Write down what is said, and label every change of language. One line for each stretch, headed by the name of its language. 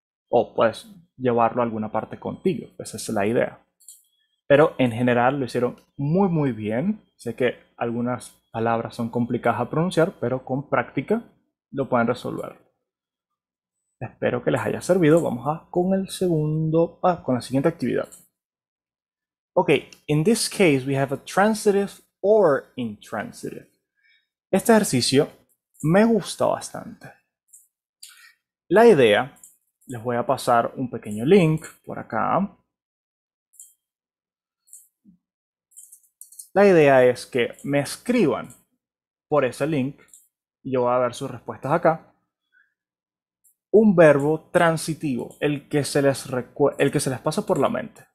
Spanish: O puedes llevarlo a alguna parte contigo. Esa es la idea. Pero en general lo hicieron muy muy bien. Sé que algunas palabras son complicadas a pronunciar, pero con práctica lo pueden resolver. Espero que les haya servido. Vamos a con el segundo, con la siguiente actividad.
English: Okay, in this case we have a transitive or intransitive.
Spanish: Este ejercicio me gusta bastante. La idea, les voy a pasar un pequeño link por acá. La idea es que me escriban por ese link, y yo voy a ver sus respuestas acá, un verbo transitivo, el que se les pasa por la mente.